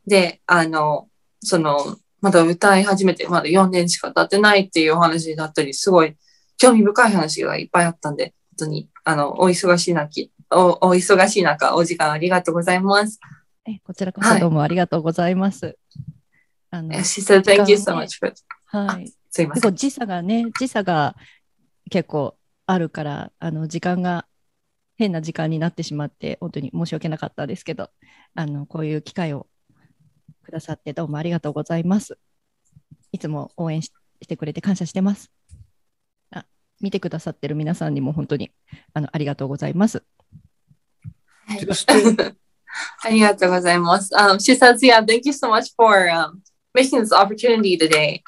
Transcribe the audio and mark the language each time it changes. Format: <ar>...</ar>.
<ja>で、その、まだ歌い始めて、まだ4年しか経ってないっていうお話だったり、すごい興味深い話がいっぱいあったんで、本当に、お忙しい中、お時間ありがとうございます。こちらこそどうもありがとうございます。</ja> <en>はい、She said, thank you so much for it.</en> <ja>はい。結構時差が結構あるから、時間が変な時間になってしまって、本当に申し訳なかったですけど、こういう機会をくださってどうもありがとうございます。いつも応援してくれて感謝してます。見てくださってる皆さんにも本当にありがとうございます。ありがとうございます。</ja> <en>She says, yeah, thank you so much for making this opportunity today.</en>